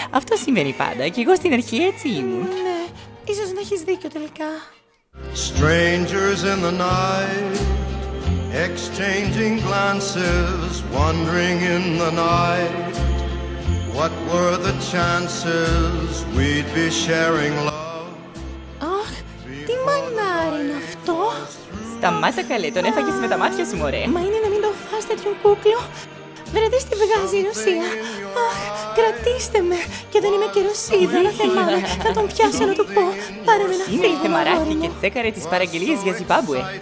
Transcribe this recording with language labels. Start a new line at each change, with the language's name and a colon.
Greek: Αυτό συμβαίνει πάντα και εγώ στην αρχή έτσι ήμουν. Ναι, ίσως να έχεις δίκιο τελικά.
English: Strangers in the night, exchanging glances, wandering in the night. What were the chances we'd be sharing love?
Greek: Αχ, τι μανάρι είναι αυτό! Σταμάτα καλέ, τον έφαγες με τα μάτια σου, μωρέ. Μα είναι να μην το φας τέτοιον κούκλο. Βρετείς τη βγάζει η Ρωσία. Αχ, κρατήστε με. Και δεν είμαι και Ρωσίδα, να θυμάμαι. Θα τον πιάσω να του πω. Πάρε με να φύγω. Ήρθε μαράκι και τσέκαρε τις παραγγελίες για Ζιμπάμπουε.